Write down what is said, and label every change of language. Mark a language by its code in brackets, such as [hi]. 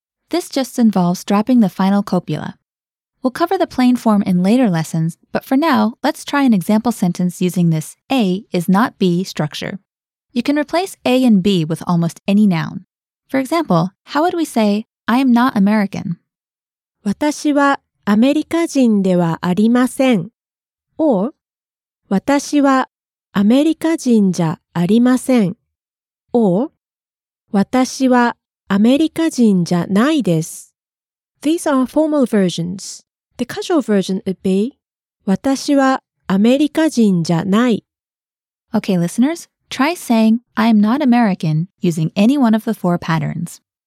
[en] This just involves dropping the final copula. We'll cover the plain form in later lessons, but for now, let's try an example sentence using this A is not B structure. You can replace A and B with almost any noun. For example, how would we say, I am not American? [ja] 私はアメリカ人ではありません。 Or, 私はアメリカ人じゃありません。 Or, 私はアメリカ人じゃないです。 [en] These are formal versions. The casual version would be, [ja] 私はアメリカ人じゃない。 [en] Okay, listeners, try saying, I am not American using any one of the four patterns.